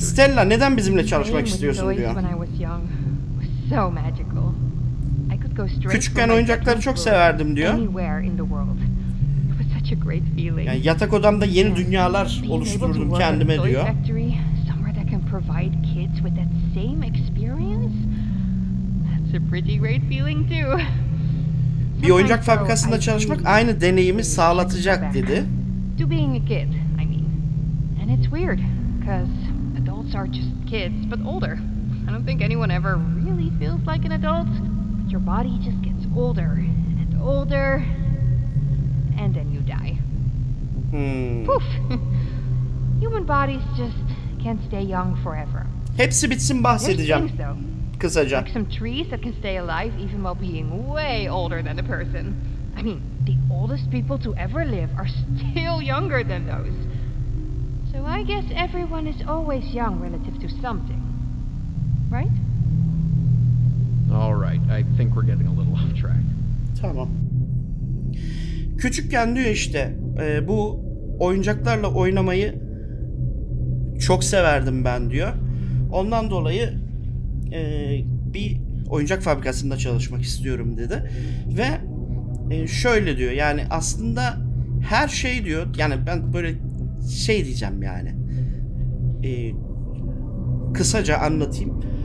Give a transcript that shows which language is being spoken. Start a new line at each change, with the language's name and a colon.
Turkish: Stella, neden bizimle çalışmak istiyorsun diyor.
English: When I was young, so magical. I could go straight.
Turkish: Küçükken oyuncakları çok severdim diyor.
English: Anywhere in the world. It was such a great feeling.
Turkish: Yani yatak odamda yeni dünyalar oluşturdum kendime diyor.
English: Somewhere that can provide kids with that same experience. That's a pretty great feeling too.
Turkish: Bir oyuncak fabrikasında çalışmak aynı deneyimi sağlatacak dedi.
English: To being a kid, I mean. And it's weird, because adults are just kids, but older. I don't think anyone ever really feels like an adult. But your body just gets older and older, and then you die. Poof! Human bodies just can't stay young forever.
Turkish: Hepsi bitsin bahsedeceğim. Kısaca.
English: Like some trees that can stay alive even while being way older than a person. I mean, the oldest people to ever live are still younger than those. So I guess everyone is always young relative to something. Right? All right, I think we're getting a little off track.
Turkish: Tamam. Küçükken diyor işte, bu oyuncaklarla oynamayı çok severdim ben diyor. Ondan dolayı bir oyuncak fabrikasında çalışmak istiyorum dedi. Ve şöyle diyor, yani aslında her şey diyor, yani ben böyle şey diyeceğim yani, kısaca anlatayım.